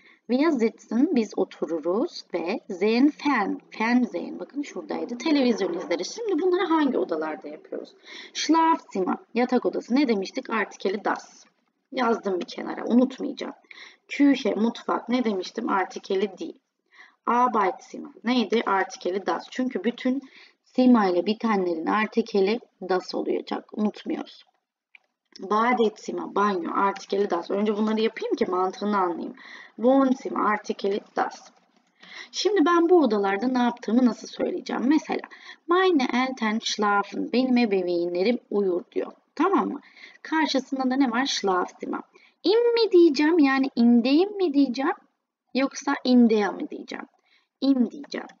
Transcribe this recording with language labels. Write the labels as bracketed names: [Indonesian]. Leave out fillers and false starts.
[German] Wir sitzen, [Turkish] biz otururuz ve [German] sehen fern, fernsehen. [Turkish] Bakın şuradaydı. Televizyon izleriz. Şimdi bunları hangi odalarda yapıyoruz? Schlafzimmer, yatak odası. Ne demiştik? Artikeli das. Yazdım bir kenara. Unutmayacağım. Küche, mutfak. Ne demiştim? Artikeli di. Arbeitszimmer. Neydi? Artikeli das. Çünkü bütün zima ile bitenlerin artikeli das olacak. Unutmuyoruz. Badezimmer, banyo, artikeli das. Önce bunları yapayım ki mantığını anlayayım. Wohnzimmer, artikeli das. Şimdi ben bu odalarda ne yaptığımı nasıl söyleyeceğim? Mesela, [German] meine Eltern schlafen, [Turkish] benim ebeveynlerim uyur diyor. Tamam mı? Karşısında da ne var? Schlafzimmer. İn mi diyeceğim, yani indeyim mi diyeceğim, yoksa indeya mı diyeceğim? İn diyeceğim.